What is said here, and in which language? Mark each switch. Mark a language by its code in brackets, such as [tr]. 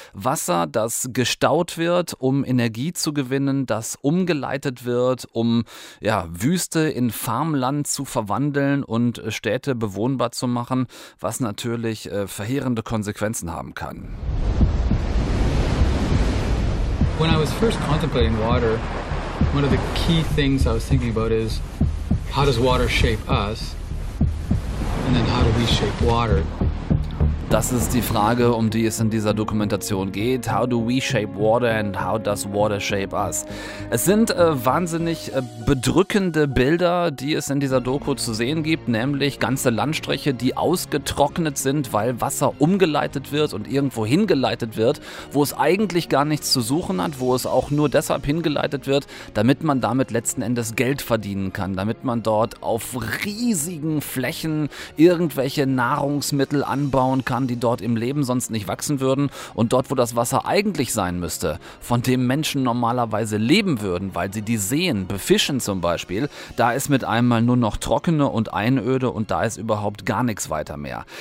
[de] Wasser, das gestaut wird, um Energie zu gewinnen, das umgeleitet wird, um ja, Wüste in Farmland zu verwandeln und Städte bewohnbar zu machen, was natürlich verheerende Konsequenzen haben kann. [en] When I was first contemplating water, one of the key things I was thinking about is, how does water shape us? And then how do we shape water? [de] Das ist die Frage, um die es in dieser Dokumentation geht. [en] How do we shape water and how does water shape us? [de] Es sind wahnsinnig bedrückende Bilder, die es in dieser Doku zu sehen gibt, nämlich ganze Landstriche, die ausgetrocknet sind, weil Wasser umgeleitet wird und irgendwo hingeleitet wird, wo es eigentlich gar nichts zu suchen hat, wo es auch nur deshalb hingeleitet wird, damit man damit letzten Endes Geld verdienen kann, damit man dort auf riesigen Flächen irgendwelche Nahrungsmittel anbauen kann, die dort im Leben sonst nicht wachsen würden, und dort, wo das Wasser eigentlich sein müsste, von dem Menschen normalerweise leben würden, weil sie die Seen befischen zum Beispiel, da ist mit einmal nur noch trockene und Einöde und da ist überhaupt gar nichts weiter mehr.